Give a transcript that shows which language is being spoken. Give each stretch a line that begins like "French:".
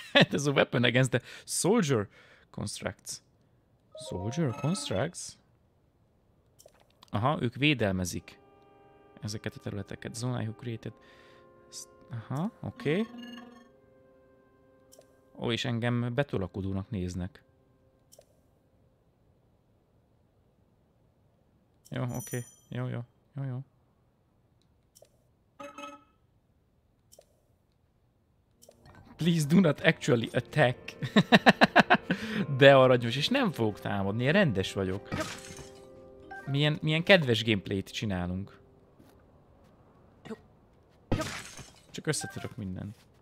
Hungarian: ez a
English: weapon against the soldier constructs. Soldier constructs?
Hungarian: Aha, ők védelmezik ezeket a területeket.
English: Zone I have created.
Hungarian: Aha, oké. Okay. Ó, és engem betolakodónak néznek. Jó, oké. Jó.
English: Please do not actually attack.
Hungarian: De aranyos, és nem fogok támadni, én rendes vagyok. Milyen kedves gameplayt csinálunk. Csak összetörök mindent.